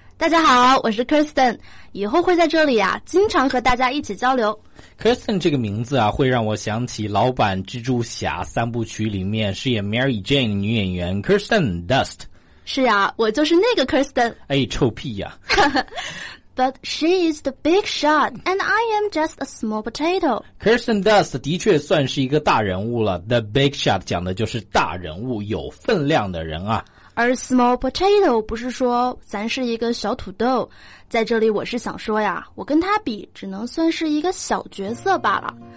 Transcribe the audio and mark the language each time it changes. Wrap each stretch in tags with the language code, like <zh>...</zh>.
<zh>大家好，我是 Kirsten， 以后会在这里啊经常和大家一起交流。 Kirsten 这个名字啊会让我想起老版蜘蛛侠三部曲里面饰演 Mary Jane 女演员 Kirsten Dust。是啊，我就是那个 Kirsten。哎，臭屁呀、啊</zh> <en>But she is the big shot, and I am just a small potato.</en> <zh>Kirsten Dust 的确算是一个大人物了。The big shot 讲的就是大人物，有分量的人啊。而 small potato 不是说咱是一个小土豆，在这里我是想说呀，我跟他比只能算是一个小角色罢了。</zh>